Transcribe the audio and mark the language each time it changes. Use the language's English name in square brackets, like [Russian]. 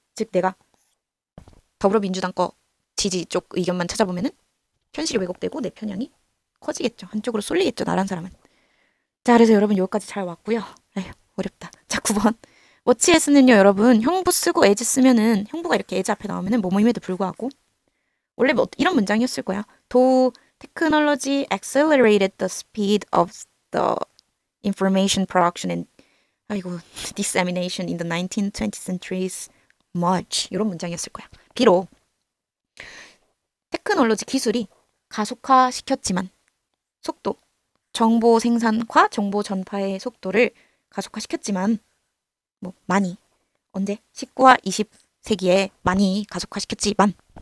[Korean] 즉, 내가 더불어민주당 거 지지 쪽 의견만 찾아보면은 현실이 왜곡되고 내 편향이 커지겠죠. 한쪽으로 쏠리겠죠, 나란 사람은. 자, 그래서 여러분 여기까지 잘 왔고요. 에휴, 어렵다. 자, 9번. 워치에스는요, 여러분, 형부 쓰고 as 쓰면은 형부가 이렇게 as 앞에 나오면은 뭐뭐임에도 불구하고 원래 뭐 이런 문장이었을 거야. [English] Though technology accelerated the speed of the information production and [Korean] 아이고, [English] dissemination in the 19th, 20th centuries much [Korean] 이런 문장이었을 거야. 비록 테크놀로지 기술이 가속화시켰지만 속도 정보 생산과 정보 전파의 속도를 가속화시켰지만, 뭐, 많이. 언제? 19와 20세기에 많이 가속화시켰지만.